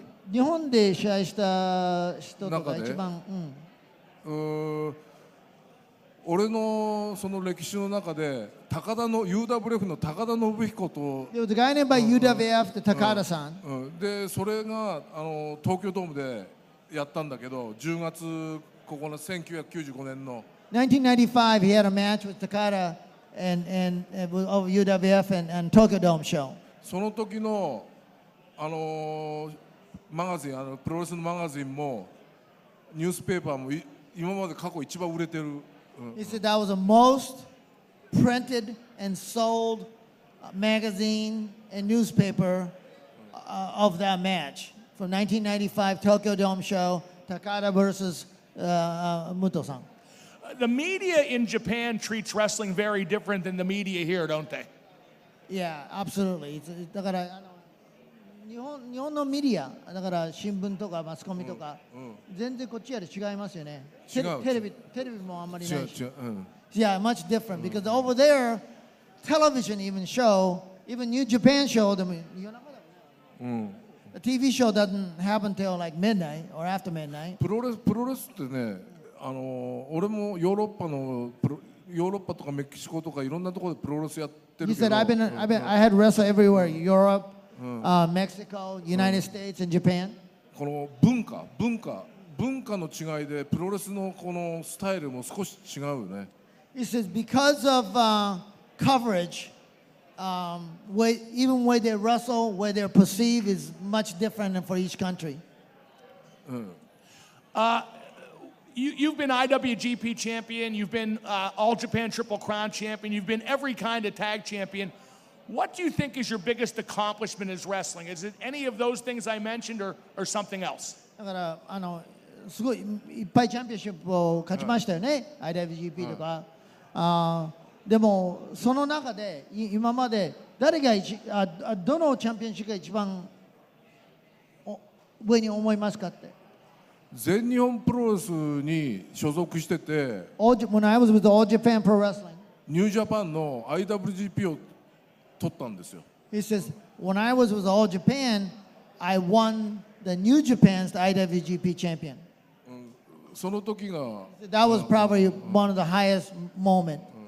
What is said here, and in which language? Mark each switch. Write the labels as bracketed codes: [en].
[ja] 日本で試合した人とか一番。俺のその歴史の中で高田の UWF の高田信彦と [en] There was a guy named UWF the Takada さん。 [ja] でそれがあの東京ドームでやったんだけど10月ここの1995年の [en] 1995 he had a match with Takada and of UWF and Tokyo Dome show [ja] その時のあのマガジンあのプロレスのマガジンもニュースペーパーも今まで過去一番売れてる。 [en] He said that was the most printed and sold magazine and newspaper of that match from 1995 Tokyo Dome show Takada versus Muto-san. The media in Japan treats wrestling very different than the media here, don't they? Yeah, absolutely. [ja] だからあの日本のメディアだから新聞とかマスコミとか全然こっちより違いますよね。テレビもあんまりないし。 [en] Yeah, much different because over there, television even show, even New Japan show them. A TV show doesn't happen till like midnight or after midnight. [ja] プロレスってね、あの、俺もヨーロッパのプロ、ヨーロッパとかメキシコとかいろんなところでプロレスやってるけど。 [en] He said, I had wrestled everywhere, Europe, Mexico, United States, and Japan. [ja] この文化、文化、文化の違いでプロレスのこのスタイルも少し違うね。 [en] He says, because of coverage,even where they wrestle, where they're perceived is much different for each country. You've been IWGP champion, you've been All Japan Triple Crown champion, you've been every kind of tag champion. What do you think is your biggest accomplishment as wrestling? Is it any of those things I mentioned or something else? [ja] だから、あの、すごい、いっぱいチャンピオンシップを勝ちましたよね、IWGP とか。でもその中で今まで誰が一あどのチャンピオンシップが一番上に思いますかって。全日本プロレスに所属してて、 [en] When I was with All Japan Pro Wrestling, [ja] ニュージャパンの IWGP を取ったんですよ。 [en] He says, When I was with All Japan, I won the New Japan's IWGP champion. [ja] その時が、 [en] That was probably one of the highest moments.